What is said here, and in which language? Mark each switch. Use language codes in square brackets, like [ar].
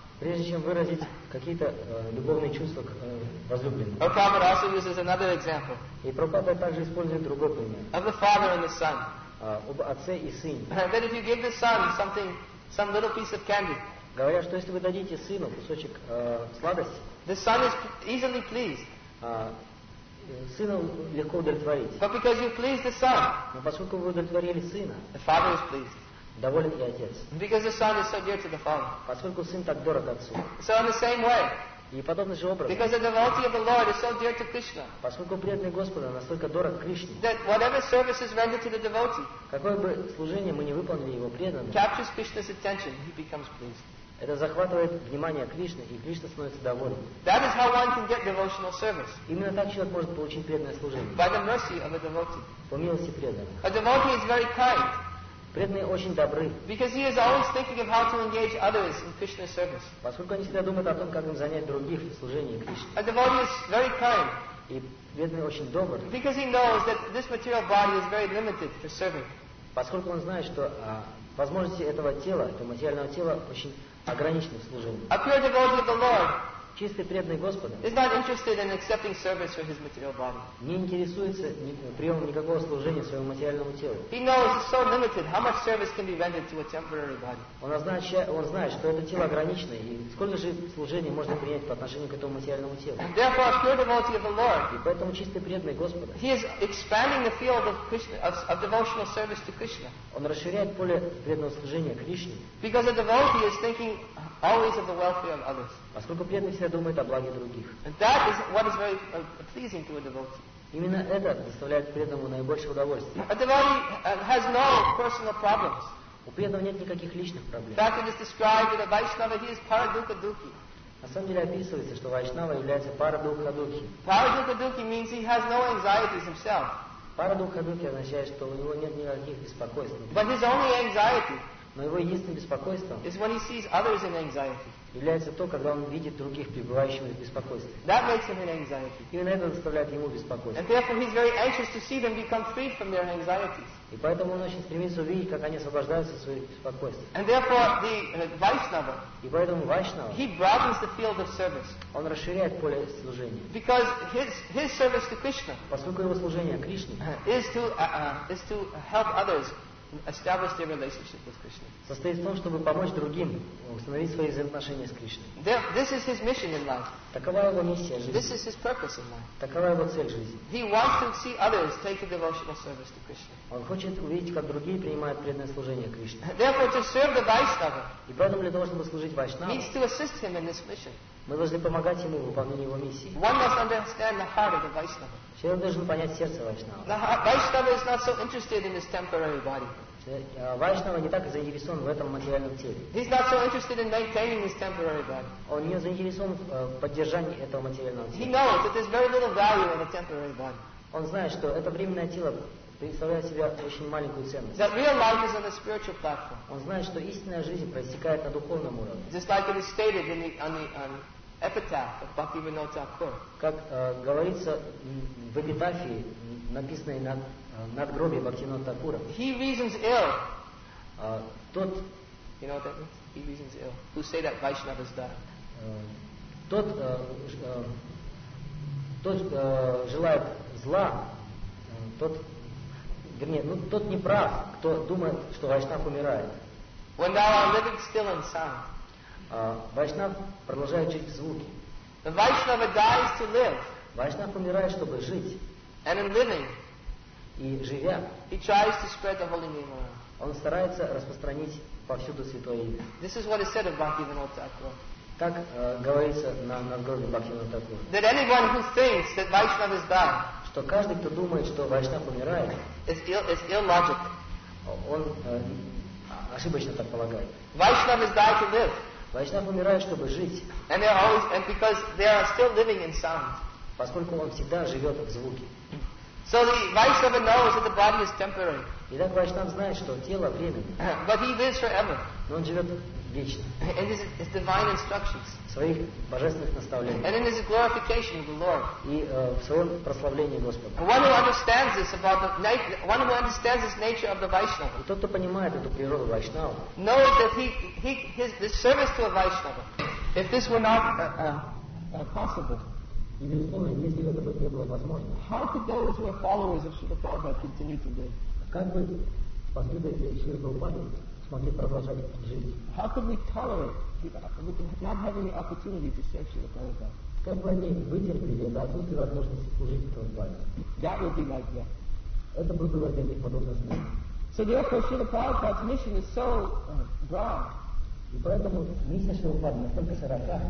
[ru] Прежде чем выразить какие-то любовные чувства к возлюбленному. [en] Our Prabhupada also uses another example. [ru] И Прабхупада также использует другой пример. [en] Of the father and the son. [ru] Об отце и сыне. [en] That if you give the son something, some little piece of candy. [ru] Говоря, что если вы дадите сыну кусочек сладости. [en] The son is easily pleased. [ru] Сына легко удовлетворить. [en] But because you pleased the son. [ru] Но поскольку вы удовлетворили сына. [en] The father is pleased. [ru] Доволен и отец. [en] Because the son is so dear to the father. [ru] Поскольку сын так дорог отцу. [en] So in the same way. [ru] И подобным же образом. [en] Because the devotee of the Lord is so dear to Krishna. [ru] Поскольку преданный Господа настолько дорог Кришне. [en] That whatever service is rendered to the devotee. [ru] Какое бы служение мы не выполнили его преданным. [en] Captures Krishna's attention, he becomes pleased. [ru] Это захватывает внимание Кришны, и Кришна становится доволен. [en] That is how one can get devotional service. [ru] Именно так человек может получить преданное служение. [en] By the mercy of a devotee. [ru] По милости преданного. [en] A devotee is very kind. [ru] Преданные очень добры. [en] Because he is always thinking of how to engage others in Krishna's service. [ru] Поскольку они всегда думают о том, как им занять других в служении Кришне. [en] A devotee is very kind. [ru] И преданный очень добр. [en] Because he knows that this material body is very limited for serving. [ru] Поскольку он знает, что возможности этого тела, этого материального тела, очень ограничены в служении. [en] A pure devotee of the Lord. [ru] Чистый преданный Господа [en] is not interested in accepting service for his material body. [ru] Не интересуется приемом никакого служения своему материальному телу. [en] He knows it's so limited how much service can be rendered to a temporary body. [ru] Он знает, что это тело ограничено, и сколько же служения можно принять по отношению к этому материальному телу. [en] And therefore, a pure devotee of the Lord. [ru] И поэтому чистый преданный Господа. [en] He is expanding the field of Krishna, of devotional service to Krishna. [ru] Он расширяет поле преданного служения Кришне. [en] Because a devotee is thinking always of the welfare of others. [ru] Поскольку преданный всегда думает о благе других. [en] And that is what is very pleasing to a devotee. [ru] Именно это доставляет преданному наибольшее удовольствие. [en] A devotee has no personal problems. [ru] У преданного нет никаких личных проблем. [en] In fact, it is described that a Vaishnava, he is Paradukaduki. [ru] На самом деле описывается, что Вайшнава является Парадукадуки. [en] Парадукадуки means he has no anxieties himself. [ru] Парадукадуки означает, что у него нет никаких беспокойств. [en] But his only anxiety. [ru] Но его единственным беспокойством [en] is when he sees others in anxiety. [ru] Является то, когда он видит других пребывающих в беспокойстве. [en] That makes him in anxiety. [ru] Именно это заставляет ему беспокойство. [en] And therefore he's very anxious to see them become free from their anxieties. [ru] И поэтому он очень стремится увидеть, как они освобождаются от своих беспокойств. [en] And therefore the Vaishnava. [ru] И поэтому Вайшнава. [en] He broadens the field of service. [ru] Он расширяет поле служения. [en] Because his service to Krishna. [ru] Поскольку его служение Кришне. [en] Is to help others. Establish their relationship with Krishna. [ru] Состоит в том, чтобы помочь другим установить свои взаимоотношения с Кришной. [en] This is his mission in life. [ru] Такова его миссия в жизни. [en] This is his purpose in life. [ru] Такова его цель в жизни. [en] He wants to see others take a devotional service to Krishna. [ru] Он хочет увидеть, как другие принимают преданное служение Кришне. [en] Therefore, to serve the Vaishnava. [ru] И поэтому для того, чтобы служить Вайшнаву. [en] Means to assist him in this mission. [ru] Мы должны помогать ему в выполнении его миссии. [en] One must understand the heart of the Vaishnava. [ru] Человек должен понять сердце Вайшнава. [en] Vaishnava is not so interested in his temporary body. [ru] Вайшнава не так заинтересован в этом материальном теле. [en] He's not so interested in maintaining his temporary body. [ru] Он не заинтересован в поддержании этого материального тела. [en] He knows that there's very little value in a temporary body. [ru] Он знает, что это временное тело представляет себя очень маленькую ценность. [en] That real life is on a spiritual platform. [ru] Он знает, что истинная жизнь протекает на духовном уровне. [en] Just like it is stated in the epitaph of Bhakti Vinod Thakur. [ru] Как говорится в эпитафии, написанной над надгробием Бхакти Винода Такура. [en] He reasons ill. [ru] Тот, [en] you know what that means? He reasons ill. Who say that Vaishnavas die? [ru] Тот желает зла. Тот не прав, кто думает, что Вайшнав умирает. [en] When thou art living still in sound. [ru] А Вайшнав продолжает жить в звуке. [en] The Vaishnava dies to live. [ru] Vaishnav умирает, чтобы жить. [en] And in living, [ru] и живя, [en] he tries to spread the holy name. [ru] Он старается распространить повсюду святое имя. [en] This is what is said of Bhaktivinoda Thakur. [ru] Так говорится на надгробии Бхактивинода Тхакура. [en] That anyone who thinks that Vaishnava is dying, [ru] что каждый, кто думает, что Вайшнав умирает, [en] is illogical. [ru] Он ошибочно так полагает. [en] Vaishnav is dying to live. [ru] Vaishnav умирает, чтобы жить. [en] And they are always, and because they are still living in sound. [ru] Поскольку он всегда живет в звуке. [en] So the Vaishnava knows that the body is temporary. [ru] Итак, Вайшнав знает, что тело временное. [en] But he lives forever. [ru] Но он живет вечно. [en] And this is divine instructions. [ru] В своих божественных наставлениях. [en] And in his glorification of the Lord. [ru] И в своем прославлении Господа. [en] One who understands this about the one who understands this nature of the Vaishnava. [ru] И тот, кто понимает эту природу Вайшнава. [en] Knows that his service to a Vaishnava. If this were not possible. [ru] Если бы это бы не было возможно. [en] How could those who are followers of Srila Prabhupada continue to live? [ru] Как бы последователи Шрилы Прабхупады смогли продолжать жить? [en] How could we tolerate without not having the opportunity to serve Srila Prabhupada? [ru] Как бы они вытерпели отсутствие возможности служить этому Бхакти? [en] That would be like that. [ru] Это было бы для них подобно смерти. [en] So therefore, Srila Prabhupada's mission is so broad. [ru] И поэтому миссия Шрилы Прабхупады настолько широка.